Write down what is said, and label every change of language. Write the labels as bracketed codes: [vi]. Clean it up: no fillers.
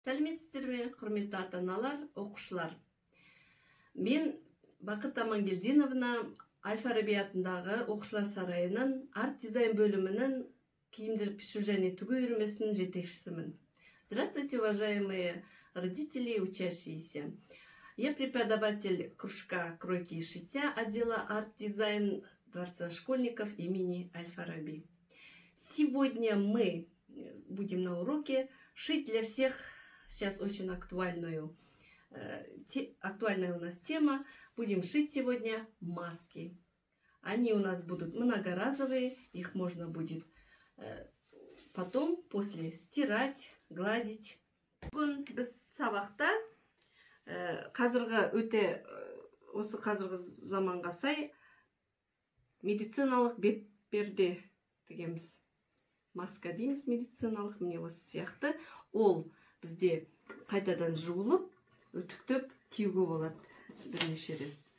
[kk] Сәлеметсіздерме, құрметті ата-аналар, оқушылар. Мен Бақыт Амангелдиновна Әл-Фараби атындағы оқушылар сарайының арт-дизайн бөлімінің киімдер пішу және тігу үйірмесінің жетекшісімін. [ru] Здравствуйте, уважаемые родители и учащиеся. Я преподаватель кружка кройки и шитья отдела арт-дизайн Дворца школьников имени Әл-Фараби. Сегодня мы будем на уроке шить для всех. Сейчас очень актуальная у нас тема. Будем шить сегодня маски. Они у нас будут многоразовые. Их можно будет потом, после, стирать, гладить. [kk] Бүгін біз сабақта, қазіргі өте, осы қазіргі заманға сай, медициналық бетперде дегенбіз. Маска дейміз медициналық, міне осы сияқты. Ол бізде қайтадан жуылып, үтіктіп, киюге болады бірнеше рет.